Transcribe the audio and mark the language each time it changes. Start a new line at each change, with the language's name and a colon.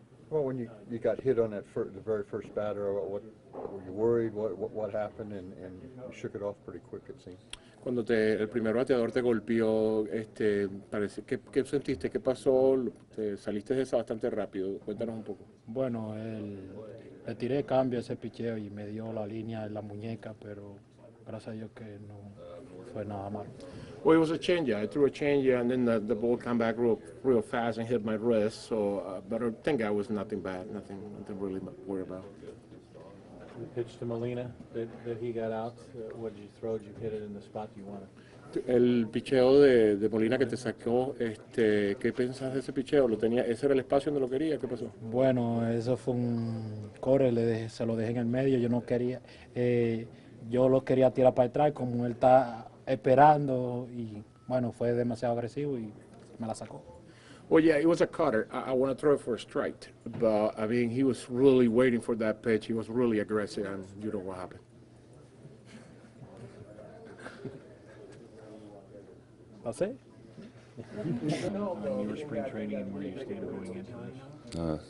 English: Well, when you got hit on that the very first batter, what were you worried? What happened? And you shook it off pretty quick, it seems.
Spanish: Cuando el primer bateador te golpeó, parece qué sentiste, qué pasó, te saliste de esa bastante rápido. Cuéntanos un poco. Bueno, le tiré cambio a ese picheo y me dio la línea en la muñeca, pero gracias a Dios que no fue nada mal.
English: Well, it was a change. Yeah. I threw a change, yeah, and then the ball came back real fast and hit my wrist. So, but I think it was nothing bad, nothing really to worry about. The pitch to Molina that he got out. What did you throw? Did you hit it in the spot you wanted?
Spanish: El picheo de Molina que te sacó. ¿Qué pensas de ese picheo? Lo tenía. ¿Ese era el espacio donde lo quería? ¿Qué pasó? Bueno, eso fue un corre. Se lo dejé en el medio. Yo no quería. yo lo quería tirar para atrás como él está esperando y bueno, fue demasiado agresivo y me la sacó.
English: Well, yeah, it was a cutter. I want to throw it for a strike, but I mean, he was really waiting for that pitch. He was really aggressive, and you know what happened. That's it. Your spring training and where you stand going into this?